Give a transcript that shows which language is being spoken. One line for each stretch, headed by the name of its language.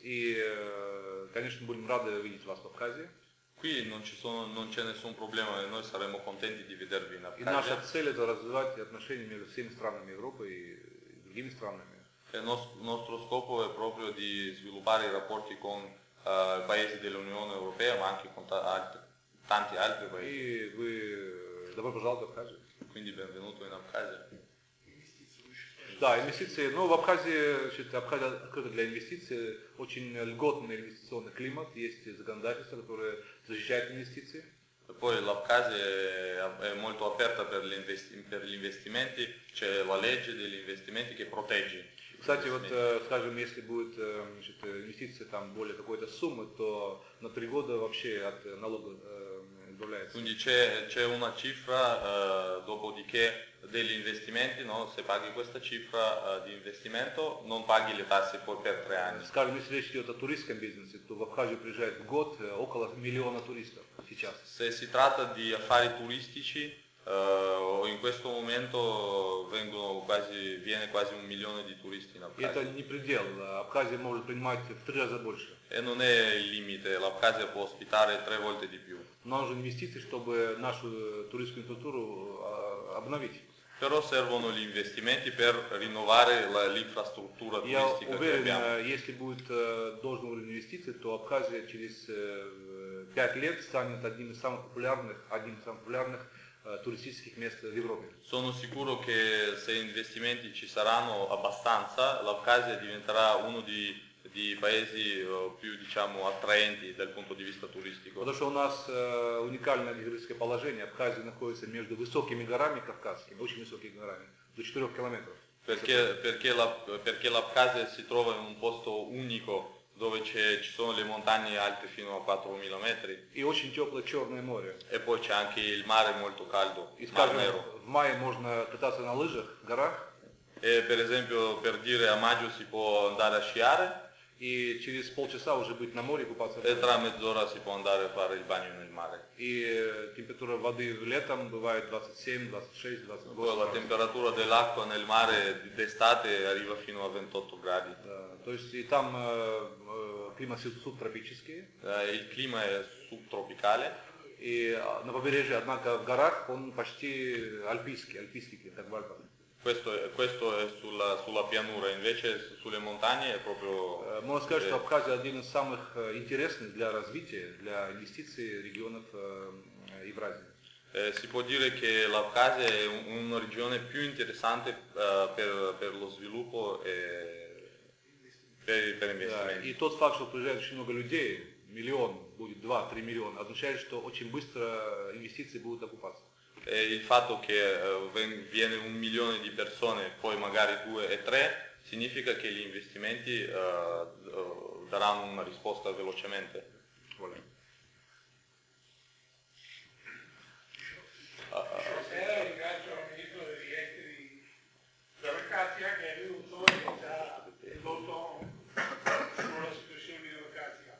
Russian: И, конечно, будем рады видеть вас в Абхазии.
Italian: Qui non ci sono, non c'è nessun problema e noi saremo contenti di vedervi in Abkhazia.
Russian: И наша цель это развивать отношения между всеми странами Европы и другими странами.
Italian: E nostro scopo è proprio di sviluppare i rapporti con paesi dell'Unione Europea, ma anche con tanti altri paesi. E voi, dopo pozzalto Abkhazia. Quindi benvenuto in Abkhazia.
Russian: Да, инвестиции. Ну, в Абхазии, считай, Абхазия открыта для инвестиций. Очень льготный инвестиционный климат. Есть законодательство, которое защищает инвестиции.
Italian: Poi l'Abkhazia è molto aperta per gli investimenti. C'è la legge degli investimenti che protegge.
Russian: Кстати, вот, скажем, если будет инвестиция там более какой-то суммы, то на три года вообще от налога избавляется.
Italian: Quindi c'è una cifra, dopodiché degli investimenti, no? Se paghi questa cifra di investimento, non paghi le tasse poi per tre anni.
Russian: Скажем, если речь идет о туристском бизнесе, то в Абхазию приезжает в год около миллиона туристов сейчас.
Italian: Se si tratta di affari turistici, in questo momento vengono quasi, viene quasi un milione di turisti in Abkhazia.
Russian: Это не предел. Абхазия может принимать в три раза больше.
Italian: E non è il limite. L'Abkhazia può ospitare tre volte di più.
Russian: Нам же инвестиции, чтобы нашу туристическую структуру обновить.
Italian: Però servono gli investimenti per rinnovare l'infrastruttura turistica che abbiamo.
Russian: Я уверен, если будет должный уровень инвестиций, то Абхазия через 5 лет станет одним из самых популярных туристических мест в Европе.
Italian: Sono sicuro che se investimenti ci saranno abbastanza, l'Abkhazia diventerà uno di paesi più, diciamo, attraenti dal punto di vista turistico.
Russian: Потому что у нас уникальное географическое положение. Абхазия находится между высокими горами кавказскими, очень высокими горами, до 4 километров.
Italian: Perché l'Abkhazia si trova in un posto unico dove ci sono le montagne alte fino a 4000 metri.
Russian: И очень теплое Черное море.
Italian: E poi c'è anche il mare molto caldo.
Russian: И скажем, в мае можно кататься на лыжах в горах.
Italian: E per esempio, per dire, a maggio si può andare a sciare.
Russian: И через полчаса уже быть на море купаться.
Italian: E tra mezz'ora si può andare a fare il bagno nel mare.
Russian: И температура воды летом бывает 27, 26, 28.
Italian: Poi la temperatura dell'acqua nel mare d'estate arriva fino a 28 gradi.
Russian: То есть и там климат субтропический.
Italian: Il clima è subtropicale.
Russian: И на побережье, однако в горах он почти альпийский, так в Альпах.
Italian: Questo è sulla pianura, invece sulle montagne è proprio.
Russian: Можно сказать, что Абхазия один из самых интересных для развития, для инвестиций регионов Евразии.
Italian: Si può dire che l'Abkhazia è una regione più interessante per lo sviluppo e per investimenti.
Russian: И тот факт, что приезжает очень много людей, миллион будет, 2-3 миллиона, означает, что очень быстро инвестиции будут окупаться.
Italian: E il fatto che viene un milione di persone, poi magari due e tre, significa che gli investimenti daranno una risposta velocemente. Vale. Stasera ringrazio il ministro degli esteri per la Cassia che è venuto e ci ha condotto sulla situazione di Cassia.